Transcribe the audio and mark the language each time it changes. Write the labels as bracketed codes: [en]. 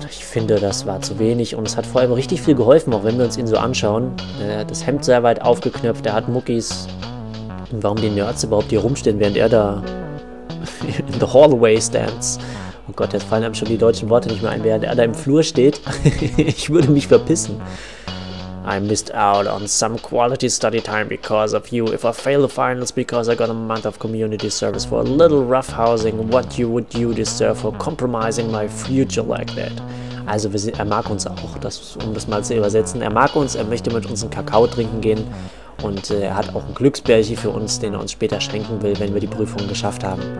[de] Ich finde, das war zu wenig und es hat vor allem richtig viel geholfen, auch wenn wir uns ihn so anschauen. Er hat das Hemd sehr weit aufgeknöpft, er hat Muckis. Und warum die Nerds überhaupt hier rumstehen, während er da [en] in the hallway stands. [de] Oh Gott, jetzt fallen einem schon die deutschen Worte nicht mehr ein, während er da im Flur steht. Ich würde mich verpissen. [en] I missed out on some quality study time because of you. If I fail the finals because I got a month of community service for a little rough housing, what would you deserve for compromising my future like that? [de] Also er mag uns auch, das, um das mal zu übersetzen. Er mag uns, er möchte mit uns einen Kakao trinken gehen. Und er hat auch einen Glücksbärchen für uns, den er uns später schenken will, wenn wir die Prüfung geschafft haben.